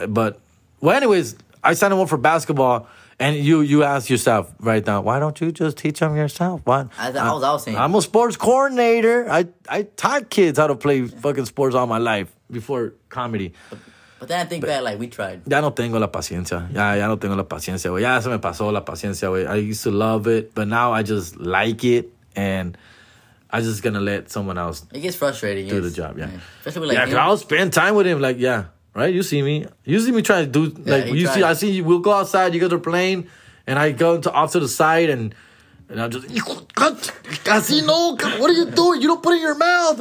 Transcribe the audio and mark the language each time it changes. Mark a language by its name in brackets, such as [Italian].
[English] But, well, anyways, I signed him up for basketball, and you ask yourself right now, why don't you just teach him yourself? What? I was saying. I'm a sports coordinator. I taught kids how to play fucking sports all my life before comedy. But then I think that, like, we tried. [Spanish] Ya no tengo la paciencia. Ya no tengo la paciencia, güey. Ya se me pasó la paciencia, güey. [English] I used to love it, but now I just like it, and I just gonna let someone else. It gets frustrating. Do the job, yeah. Especially with, like, yeah, I'll spend time with him, like, yeah, right. You see me trying to do, like, yeah, I see you. We'll go outside. You guys are playing, and I go off to the side, and I'm just, casino. What are you doing? You don't put it in your mouth.